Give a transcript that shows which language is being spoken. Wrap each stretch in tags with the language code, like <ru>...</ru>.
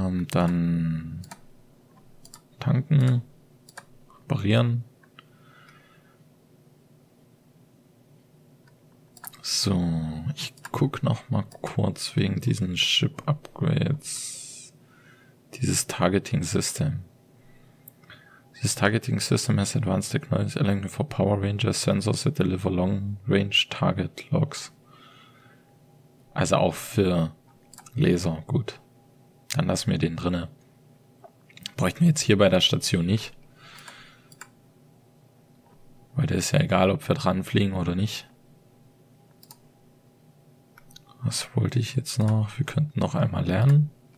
<de>Dann tanken, reparieren. So, ich guck noch mal kurz wegen diesen Ship Upgrades. Dieses Targeting System. Dieses</de> <en>Targeting System has advanced technology allowing for Power Ranger Sensors that deliver long range target logs.</en> <de>Also auch für Laser, gut. Dann lassen wir den drinne. Bräuchten wir jetzt hier bei der Station nicht. Weil das ist ja egal, ob wir dran fliegen oder nicht. Was wollte ich jetzt noch? Wir könnten noch einmal lernen.</de>